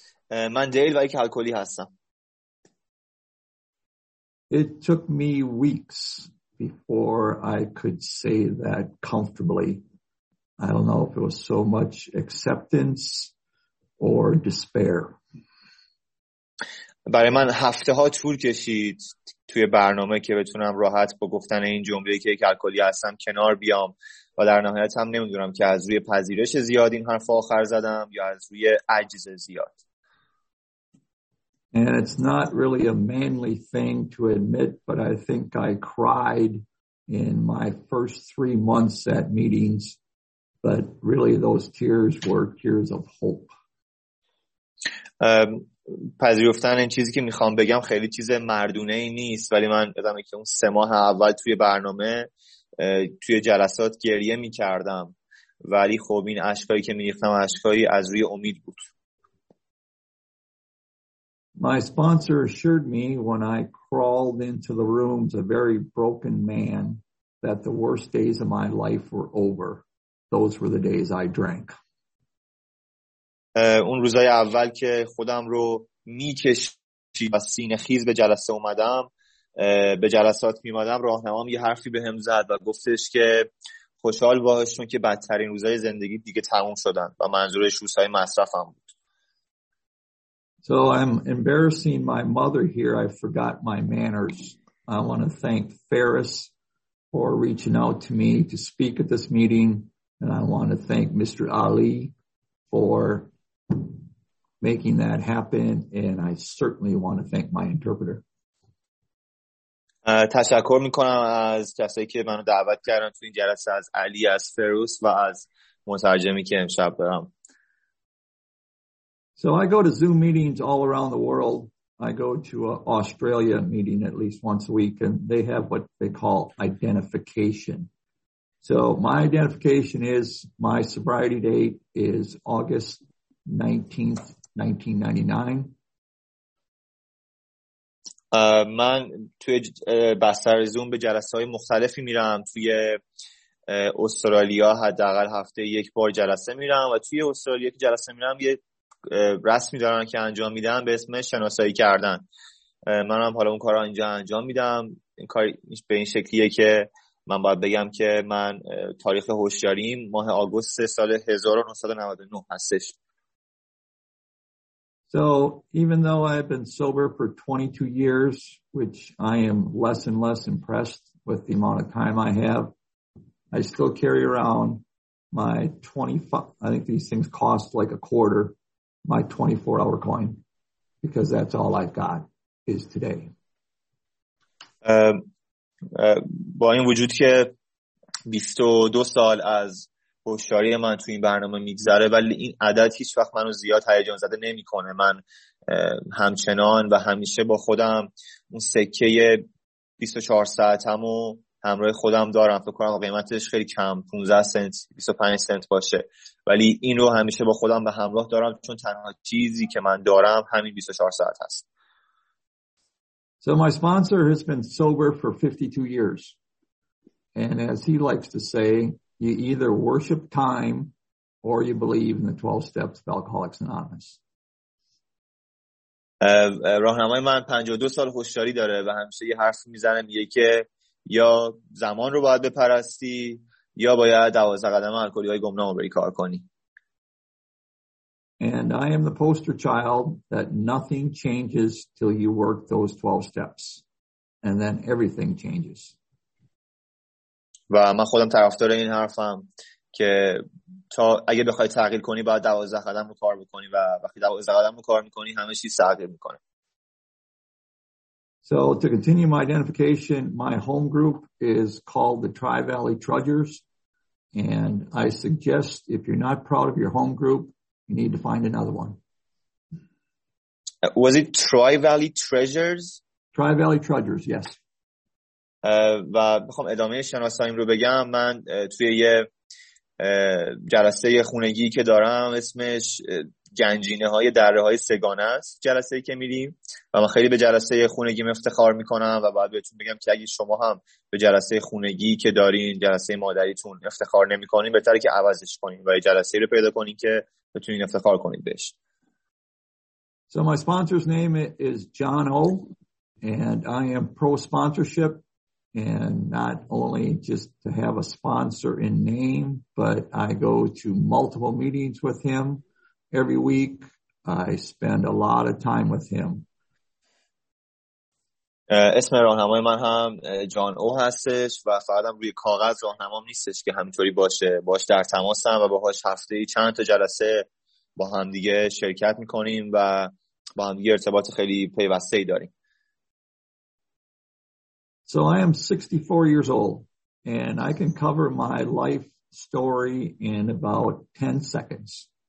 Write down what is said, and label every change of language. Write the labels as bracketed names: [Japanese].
[Persian] من دیل و یک الکلی هستم. [English] It took me weeks before I could say that comfortably. I don't know if it was so much acceptance or despair. [Persian] برای من هفته ها طول کشید توی برنامه که بتونم راحت با گفتن این جمله که یک الکلی هستم کنار بیام و در نهایت هم نمیدونم که از روی پذیرش زیاد این حرف آخر زدم یا از روی عجز زیاد. [English] And it's not really a manly thing to admit, but I think I cried in my first 3 months at meetings, but really those tears were tears of hope. [Persian] پذیرفتن این چیزی که میخوام بگم خیلی چیز مردونه ای نیست، ولی من یادمه که اون 3 ماه اول توی برنامه توی جلسات گریه میکردم، ولی خب این اشکایی که میریختم اشکایی از روی امید بود. [English] My sponsor assured me when I crawled into the rooms a very broken man that the worst days of my life were over. Those were the days I drank. [Persian] اون روزای اول که خودم رو میکشید و سینه خیز به جلسه اومدم، به جلسات میمادم، راهنمام یه حرفی به هم زد و گفتش که خوشحال باشون که بدترین روزای زندگی دیگه تموم شدن و منظورش روزای مصرفم بود. [English] So I'm embarrassing my mother here. I forgot my manners. I want to thank Ferris for reaching out to me to speak at this meeting. And I want to thank Mr. Ali for making that happen. And I certainly want to thank my interpreter. [Persian] تشکر میکنم از کسایی که منو دعوت کردن تو این جلسه، از علی، از فیروز و از مترجمی که امشب برام. [English] So I go to Zoom meetings all around the world. I go to an Australia meeting at least once a week, and they have what they call identification. So my identification is my sobriety date is August 19th, 1999. [Persian] من توی بستر زوم به جلسه‌های مختلفی میرم. توی استرالیا حداقل هفته یک بار جلسه میرم و توی استرالیا که جلسه میرم یه رسمی دارن که انجام میدن به اسم شناسایی کردن. منم حالا اون کار رو اینجا انجام میدم. این کار به این شکلیه که من باید بگم که من تاریخ هوشیاریم ماه آگوست سال 1999 هستش. [English] So even though I've been sober for 22 years, which I am less and less impressed with the amount of time I have, I still carry around my 25, I think these things cost like a quarter. My 24-hour coin, because that's all I've got is today. [Persian] با این وجود که 22 سال از هوشیاری من تو این برنامه میگذره، ولی این عدد هیچ وقت منو زیاد هیجان زده نمیکنه. من همچنان و همیشه با خودم اون سکه 24 ساعتمو همراه خودم دارم. فکر کنم قیمتش خیلی کم، 15 سنت 25 سنت باشه، ولی این رو همیشه با خودم به همراه دارم چون تنها چیزی که من دارم همین 24 ساعت هست. [English] So my sponsor has been sober for 52 years. And as he likes to say, you either worship time or you believe in the 12 steps of Alcoholics Anonymous. [Persian] راهنمای من 52 سال هوشیاری داره و همیشه یه حرف میزنه، میگه که یا زمان رو باید بپرستی یا باید 12 قدم الکلی های گمنام رو بری کار کنی. [English] And I am the poster child that nothing changes till you work those 12 steps and then everything changes. [Persian] و من خودم طرفدار این حرفم که تا اگه بخوای تغییر کنی باید 12 قدم رو کار بکنی و وقتی 12 قدم رو کار میکنی همه چیز تغییر میکنه. [English] So to continue my identification, my home group is called the Tri-Valley Trudgers, and I suggest if you're not proud of your home group, you need to find another one. Was it Tri-Valley Treasures? Tri-Valley Trudgers, yes. [Persian] و بخوام ادامه شناساییم رو بگم، من توی یه جلسه خونگی که دارم اسمش گنجینه های دره های سگانه است جلسه که میریم، و من خیلی به جلسه خونگیم افتخار میکنم و باید بهتون بگم که اگه شما هم به جلسه خونگی که دارین جلسه مادریتون افتخار نمی کنین، بهتره که عوضش کنین و یه جلسه رو پیدا کنین که بتونین افتخار کنین بهش. [English] So my sponsor's name is John O and I am pro sponsorship. And not only just to have a sponsor in name, but I go to multiple meetings with him every week. I spend a lot of time with him. [Persian] اسم راهنمای من هم جان او هستش و فقطم روی کاغذ راهنمام نیستش که همینطوری باشه، باش در تماسم و باهاش هفته ای چند تا جلسه با هم دیگه شرکت میکنیم و با هم دیگه ارتباط خیلی پیوسته ای داریم. [English] So I am 64 years old and I can cover my life story in about 10 seconds.